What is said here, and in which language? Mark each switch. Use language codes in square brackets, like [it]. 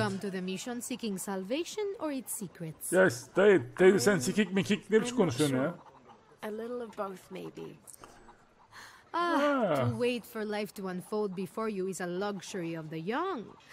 [en] Have you come to the mission seeking salvation or its secrets? [tr] Yes, dayı sen sikik mikik ne biçim konuşuyorsun ya? [en] A little of both maybe. Ah, to wait for life to unfold before you is a luxury of the young.